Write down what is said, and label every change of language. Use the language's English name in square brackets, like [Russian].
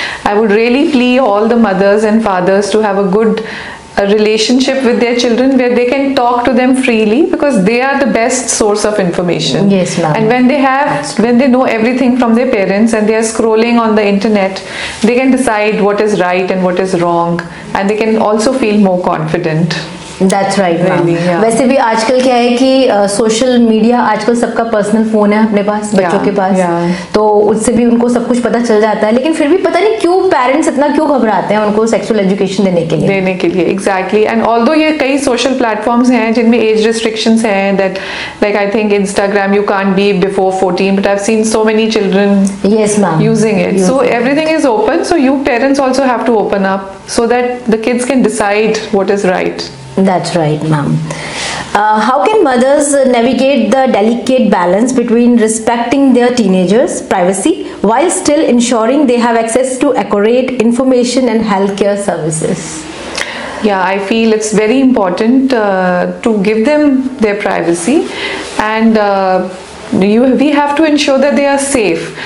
[English] I would really plea all the mothers and fathers to have a good relationship with their children, where they can talk to them freely, because they are the best source of information. Yes, ma'am. And when they know everything from their parents and they are scrolling on the internet, they can decide what is right and what is wrong, and they can also feel more confident. That's right, ma'am. Yeah. [Hindi] वैसे भी आजकल क्या है कि social media, आजकल सबका personal phone है अपने पास, बच्चों के पास, तो उससे भी उनको सब कुछ पता चल जाता है. लेकिन फिर भी पता नहीं क्यों पेरेंट्स इतना क्यों घबराते हैं उनको सेक्सुअल एजुकेशन देने के लिए. [English] Exactly. And although [Hindi] ये कई सोशल प्लेटफॉर्म्स हैं जिनमें एज रिस्ट्रिक्शंस हैं, [English] That like I think Instagram you can't be before 14, but I have seen so many children using it. So everything is open, so you parents also have to open up so that the kids can decide what is right. That's right, ma'am. How can mothers navigate the delicate balance between respecting their teenagers' privacy while still ensuring they have access to accurate information and healthcare services? Yeah, I feel it's very important to give them their privacy, and we have to ensure that they are safe.